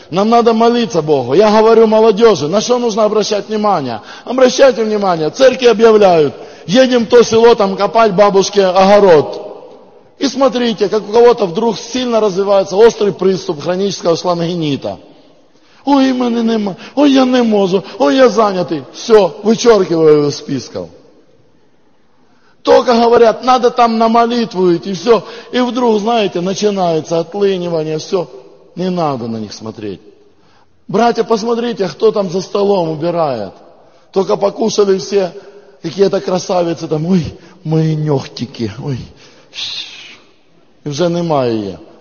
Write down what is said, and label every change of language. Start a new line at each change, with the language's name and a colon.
Russian: Нам надо молиться Богу. Я говорю молодежи, на что нужно обращать внимание? Обращайте внимание, церкви объявляют, едем в то село там копать бабушке огород. И смотрите, как у кого-то вдруг сильно развивается острый приступ хронического шлангинита.
Ukrainian: Ой, мене нема, ой, я не можу, ой, я зайнятий. Все, вичеркиваю його з списка.
Russian: Только говорят, надо там на молитву идти, все. И вдруг, знаете, начинается отлынивание, все. Не надо на них смотреть. Братья, посмотрите, кто там за столом убирает. Только покушали все, какие-то красавицы там, ой, мои нехтики, ой. И уже нема ее.